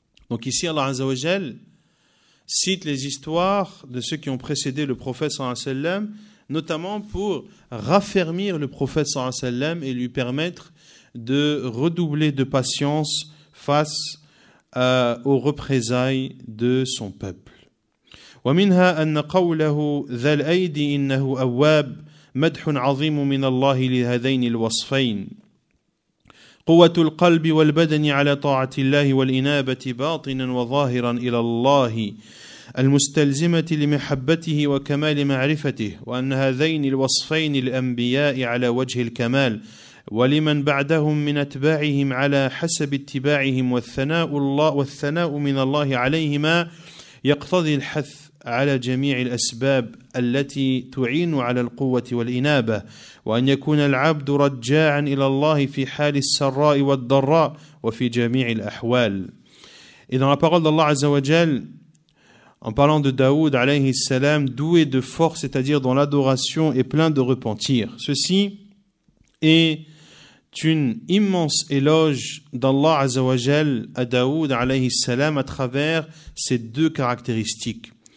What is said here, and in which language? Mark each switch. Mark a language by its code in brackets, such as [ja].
[fr] Donc ici, Allah Azza wa Jal cite les histoires de ceux qui ont précédé le prophète sallallahu alayhi wa sallam, notamment pour raffermir le prophète sallallahu alayhi wa sallam et lui permettre de redoubler de patience face aux représailles de son peuple. [ar] وَمِنْهَا أَنَّ قَوْلَهُ ذَا الْأَيْدِ إِنَّهُ أَوَّابٌ مَدْحٌ عَظِيمٌ مِنَ اللَّهِ لِهَذَيْنِ الْوَصْفَيْنِ قوة القلب والبدن على طاعة الله والإنابة باطنا وظاهرا إلى الله المستلزمة لمحبته وكمال معرفته، وأن هذين الوصفين الأنبياء على وجه الكمال ولمن بعدهم من أتباعهم على حسب اتباعهم، والثناء من الله عليهما يقتضي الحث على جميع الأسباب التي تعين على القوة والإنابة، وأن يكون العبد رجاعا إلى الله في حال السراء والضراء وفي جميع الأحوال. [fr] Et dans la parole d'Allah Azza wa Jal, en parlant de Daoud alayhi salam, doué de force, c'est-à-dire dans l'adoration et plein de repentir. Ceci est une immense éloge d'Allah Azza wa Jal à Daoud alayhi salam à travers ces deux caractéristiques.